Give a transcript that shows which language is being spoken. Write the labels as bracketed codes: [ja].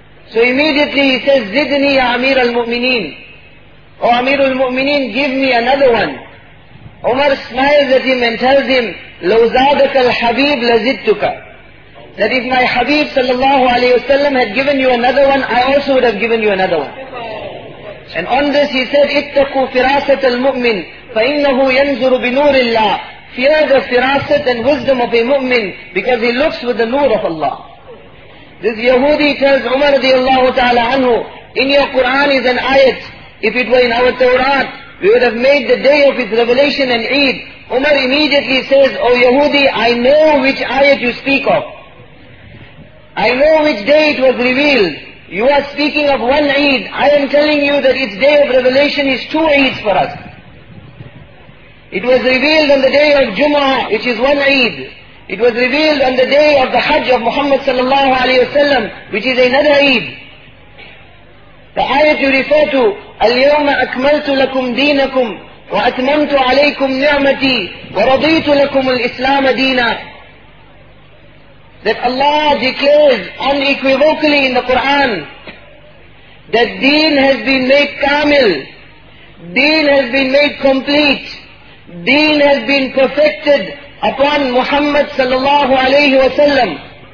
[en] So immediately he says, [ar] Zidni ya Amir al-Mu'mineen. [en] O Amir al-Mu'mineen, give me another one. Umar smiles at him and tells him, [ar] لَوْ زَادَكَ الْحَبِيبُ لَزِدْتُكَ. [en] That if my Habib sallallahu alayhi wa sallam had given you another one, I also would have given you another one. And on this he said, [ar] اتَّقُوا فِرَاسَةَ الْمُؤْمِنِ فَإِنَّهُ يَنْزُرُ بِنُورِ اللَّهِ. [en] fear the firasat and wisdom of a mu'min because he looks with the nur of Allah. This Yahudi tells Umar radiallahu ta'ala anhu, in your Quran is an ayat. If it were in our Torah, we would have made the day of its revelation an Eid. Umar immediately says, O Yahudi, I know which ayat you speak of. I know which day it was revealed. You are speaking of one Eid. I am telling you that its day of revelation is two Eids for us. It was revealed on the day of Jum'ah, which is one Eid. It was revealed on the day of the Hajj of Muhammad sallallahu alayhi wa sallam, which is another Eid. The ayat you refer to, [ar] الْيَوْمَ أَكْمَلْتُ لَكُمْ دِينَكُمْ وَأَتْمَمْتُ عَلَيْكُمْ نِعْمَتِي وَرَضِيتُ لَكُمُ الْإِسْلَامَ دِينًا. [en] That Allah declares unequivocally in the Quran that deen has been made kamil, deen has been made complete, deen has been perfected upon Muhammad sallallahu alayhi wa sallam.